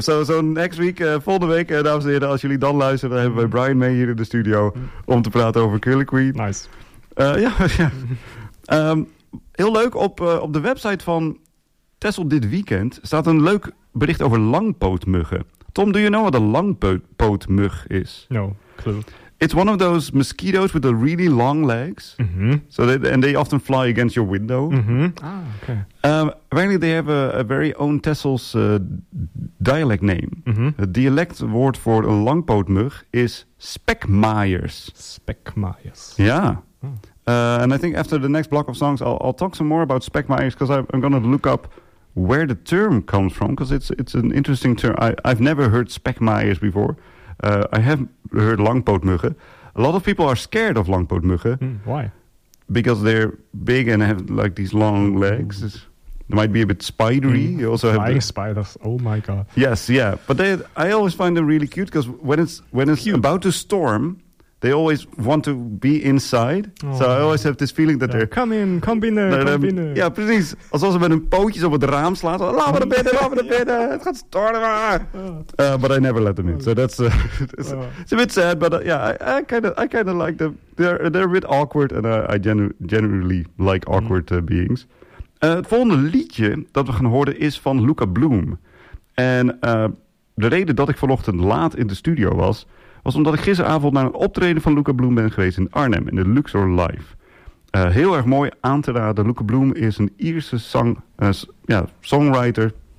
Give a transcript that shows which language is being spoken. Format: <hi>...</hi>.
<en>So next week,</en> <nl>volgende week, dames en heren, als jullie dan luisteren, dan hebben wij Brian May hier in de studio om te praten over Killer Queen.</nl> <en>Nice.</en> <nl>Heel leuk, op de website van Texel dit weekend staat een leuk bericht over langpootmuggen.</nl> <en>Tom, do you know what a langpootmug is? No clue. It's one of those mosquitoes with the really long legs. Mm-hmm. So they often fly against your window. Mm-hmm. Okay. Apparently they have a very own Texel's dialect name. Mm-hmm. The dialect word for a langpootmug is spekmaaiers. Spekmaaiers. Yeah. And I think after the next block of songs, I'll talk some more about spekmaaiers, because I'm going to look up where the term comes from, because it's an interesting term. I've never heard spekmaaiers before. I have heard langpootmuggen. A lot of people are scared of langpootmuggen. Mm, why? Because they're big and have like these long legs. They might be a bit spidery. Mm. You also have flying spiders. Oh my god. Yes, yeah. But I always find them really cute, because when it's cute. About to storm, they always want to be inside. Oh, so I always have this feeling that they're... Come in, come</en> <nl>binnen,</nl> <en>come binnen.</en> <nl>Ja, precies. Alsof ze met hun pootjes op het raam slaan. Laat me naar binnen, laat me naar binnen. Het gaat stormen.</nl> <en>But I never let them in. So that's... it's a bit sad, but I kind of like them. They're a bit awkward. And I generally like awkward beings.</en> <nl>Het volgende liedje dat we gaan horen is van Luca Bloom. En de reden dat ik vanochtend laat in de studio was... was omdat ik gisteravond naar een optreden van Luca Bloom ben geweest in Arnhem, in de Luxor Live. Heel erg mooi aan te raden. Luca Bloom is een Ierse songwriter.</nl>